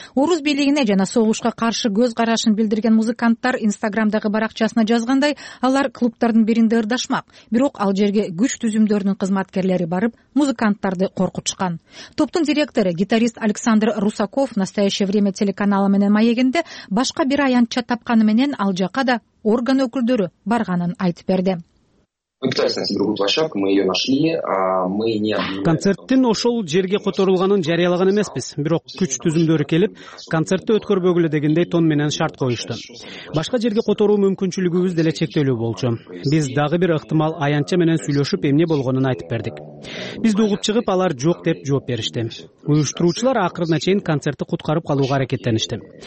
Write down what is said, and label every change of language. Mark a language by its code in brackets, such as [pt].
[ky] Орус бийлигине жана согушка каршы көз карашын билдирген музыканттар Инстаграмдагы баракчасына жазгандай, алар клубтардын биринде ырдашмак, бирок ал жерге күч түзүмдөрүнүн кызматкерлери барып, музыканттарды коркутушкан. Топтун директору, гитарист Александр Русаков «Настоящее время» телеканалы менен маегинде башка бир аянтча тапканы менен ал жака да орган өкүлдөрү барганын айтып берди. [ru] Мы пытались найти другую площадку, мы ее нашли, а мы не... [ky] Концерттин ошол жерге которулганын жарыялаган эмеспиз, бирок күч түзүмдөрү келип, концертти өткөрбөгүлө дегендей тон менен шарт коюшту. Башка жерге которуу мүмкүнчүлүгүбүз деле чектелүү болчу. Биз дагы бир ыктымал аянтча менен сүйлөшүп, эмне болгонун айтып бердик. Бизди угуп чыгып, алар жок деп жооп беришти. Уюштуруучулар акырына чейин концертти куткарып калууга аракеттеништи.